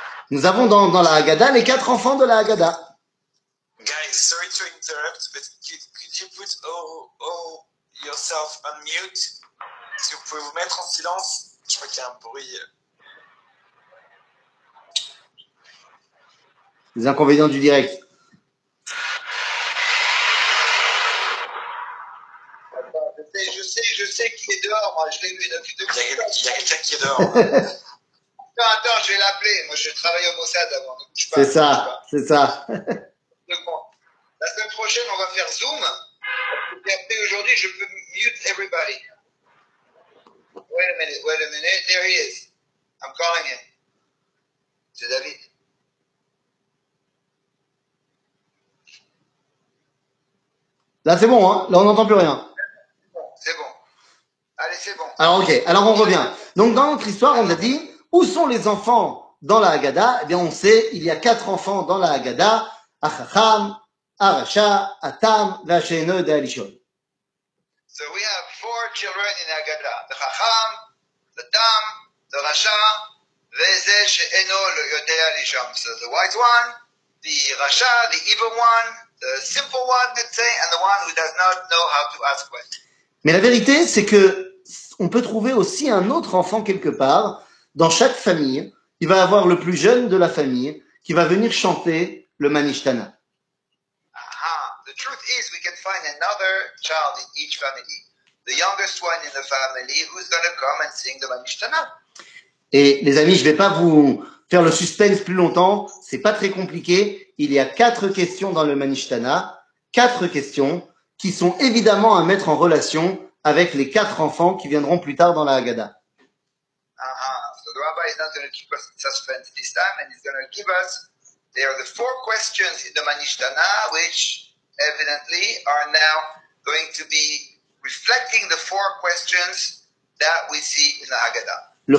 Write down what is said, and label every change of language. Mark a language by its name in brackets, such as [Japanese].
[French] Nous avons dans la Haggadah les quatre enfants de la Haggadah. [English] Guys, sorry to interrupt, but could you put all yourself on mute? [French] Est-ce que vous pouvez vous mettre en silence? Je crois qu'il y a un bruit. Les inconvénients du direct. Je sais qui est dehors, moi je l'ai vu depuis deux minutes. Il y a quelqu'un qui est dehors. Attends, je vais l'appeler. Moi je travaille au Mossad avant, ne bouge pas. C'est ça, c'est ça. La semaine prochaine, on va faire Zoom. Et après aujourd'hui, je peux [English] mute everybody. Wait a minute, there he is. I'm calling him. [French] C'est David. Là, c'est bon, hein? Là, on n'entend plus rien. C'est bon. Allez, c'est bon. Alors, ok. Alors, on revient. Donc, dans notre histoire, on a dit, où sont les enfants dans la Haggadah? Eh bien, on sait, il y a quatre enfants dans la Haggadah. [Hebrew] Achacham, Aracha, Atam, Vacheno, Dalishon. [English] So, we have four children in Haggadah. The Chacham, the Tam, the Racha, Veze, Sheeno, le Yodei Alishon. So, the wise one, the Racha, the evil one, the simple one, let's say, and the one who does not know how to ask questions. [French] Mais la vérité, c'est que on peut trouver aussi un autre enfant quelque part dans chaque famille. Il va avoir le plus jeune de la famille qui va venir chanter le Manishtana. Aha. [English] The truth is, we can find another child in each family, the youngest one in the family who's going to come and sing the Manishtana. [French] Et les amis, je ne vais pas vous faire le suspense plus longtemps. C'est pas très compliqué. Il y a quatre questions dans le Manishtana. Quatre questions. Qui sont évidemment à mettre en relation avec les quatre enfants qui viendront plus tard dans la Haggadah. [English] So the rabbi is not going to keep us in suspense this time, and he's going to give us there are the four questions in the Manishtana, which evidently are now going to be reflecting the four questions that we see in the Haggadah.